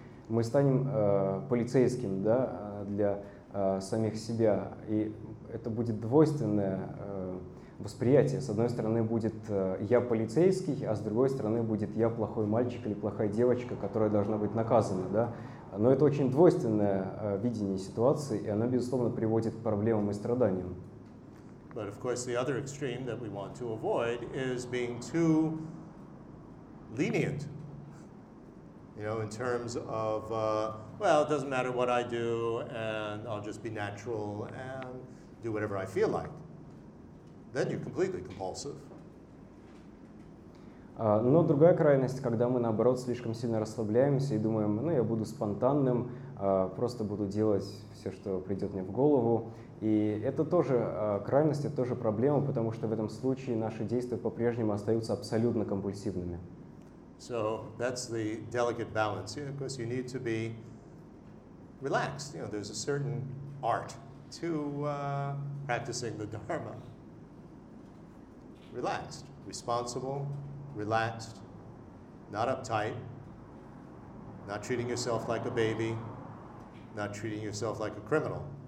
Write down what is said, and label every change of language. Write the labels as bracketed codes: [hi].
[ru] Мы станем полицейским, да, для самих себя, и это будет двойственное восприятие. С одной стороны, будет я полицейский, а с другой стороны, будет я плохой мальчик или плохая девочка, которая должна быть наказана, да. Но это очень двойственное видение ситуации, и оно, безусловно, приводит к проблемам и страданиям. [en] But of course, the other extreme that we want to avoid is being too lenient. You know, in terms of, well, it doesn't matter what I do, and I'll just be natural and do whatever I feel like. Then you're completely compulsive. [ru] Но другая крайность, когда мы, наоборот, слишком сильно расслабляемся и думаем, ну, я буду спонтанным, просто буду делать все, что придет мне в голову. И это тоже крайность, это тоже проблема, потому что в этом случае наши действия по-прежнему остаются абсолютно компульсивными. [en] So that's the delicate balance, yeah, because you need to be relaxed. You know, there's a certain art to practicing the Dharma. Relaxed, responsible, relaxed, not uptight, not treating yourself like a baby, not treating yourself like a criminal.